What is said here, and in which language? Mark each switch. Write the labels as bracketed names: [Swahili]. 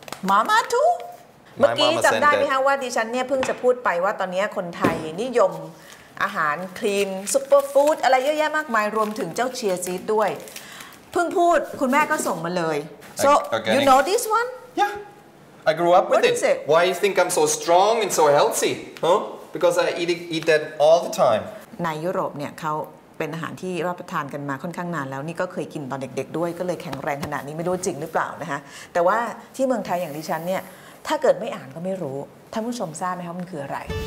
[English] Mama too [Thai] เมื่อกี้จำได้ไหมคะ [English] that. [Thai] ว่าดิฉันเนี่ยเพิ่งจะพูดไปว่าตอนนี้คนไทยนิยมอาหารคลีนซุปเปอร์ฟู้ดอะไรเยอะแยะมากมายรวมถึงเจ้าเชียร์ซีดด้วยเพิ่งพูดคุณแม่ก็ส่งมาเลย [English] So organic. you know this one Yeah I grew up with What is it Why you think I'm so strong and so healthy Huh Because I eat that all the time [Thai] ในยุโรปเนี่ยเขาเป็นอาหารที่รับประทานกันมาค่อนข้างนานแล้วนี่ก็เคยกินตอนเด็กๆด้วยก็เลยแข็งแรงขนาดนี้ไม่รู้จริงหรือเปล่านะคะแต่ว่าที่เมืองไทยอย่างดิฉันเนี่ยถ้าเกิดไม่อ่านก็ไม่รู้ท่านผู้ชมทราบไหมคะมันคืออะไร